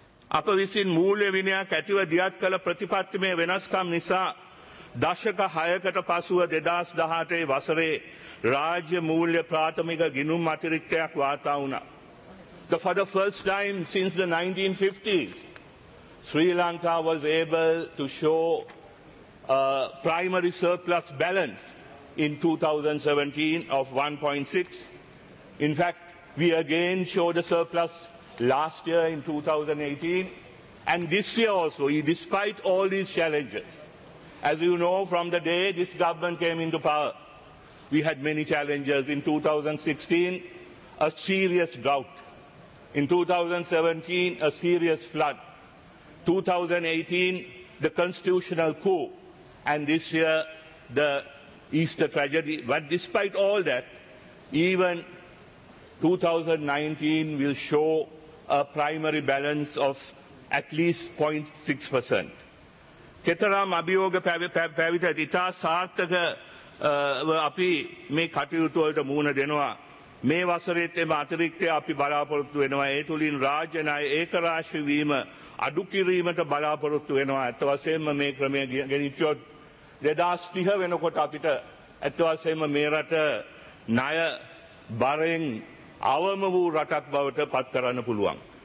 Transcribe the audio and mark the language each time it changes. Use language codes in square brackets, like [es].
[si] අප විසින් මූල්‍ය විනයක් ඇතිව දියත් කළ ප්‍රතිපත්තිමය වෙනස්කම් නිසා දශක 6කට පසුව 2018 වසරේ රාජ්‍ය මූල්‍ය ප්‍රාථමික ගිණුම් අතිරික්තයක් වාර්තා වුණා. [en] The for the first time since the 1950s, Sri Lanka was able to show a primary surplus balance in 2017 of 1.6. In fact, we again showed a surplus last year in 2018. And this year also, despite all these challenges, as you know, from the day this government came into power, we had many challenges. In 2016, a serious drought. In 2017, a serious flood. 2018, the constitutional coup. And this year, the Easter tragedy. But despite all that, even 2019 will show a primary balance of at least 0.6%. [si] කෙතරම් අභියෝග පැවිත ඇති, ඉතා සාර්ථකව අපි මේ කටයුතු වලට මුහුණ දෙනවා. මේ වසරේත් එම අතිරික්තය අපි බලාපොරොත්තු වෙනවා. ඒ තුළින් රාජ්‍ය ණය ඒකරාශී වීම අඩු කිරීමට බලාපොරොත්තු වෙනවා. ඇත්ත වශයෙන්ම මේ ක්‍රමය ගෙනිච්චොත් 2030 වෙනකොට අපිට ඇත්ත වශයෙන්ම මේ රට ණය බරෙන් අවම වූ රටක් බවට පත් කරන්න පුළුවන්.